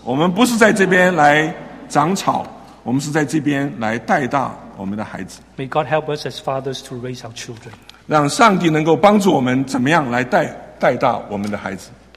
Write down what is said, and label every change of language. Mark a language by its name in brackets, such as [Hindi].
[Chinese] 我们不是在这边来长草，我们是在这边来带大我们的孩子。 [English] May God help us as fathers to raise our children. [Chinese] 让上帝能够帮助我们怎么样来带大我们的孩子。